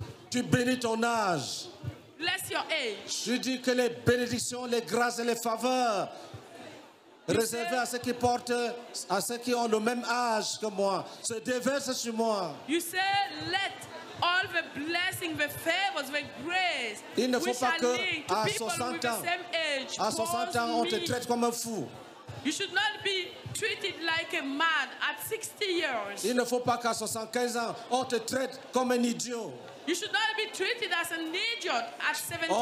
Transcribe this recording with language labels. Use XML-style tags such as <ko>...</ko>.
<fr>Tu bénis ton âge.</fr> <en>Bless your age.</en> <fr>Je dis que les bénédictions, les grâces et les faveurs réservées à ceux qui portent, à ceux qui ont le même âge que moi, se déversent sur moi.</fr> <en>You say, let all the blessings, the favors, the grace.</en> <fr>Il ne faut pas que à 60 ans, on te traite comme un fou.</fr> <en>You should not be treated like a man at 60 years.</en> <fr>Il ne faut pas qu'à 75 ans, on te traite comme un idiot.</fr> <en>You should not be treated as an idiot at 75 years.</en>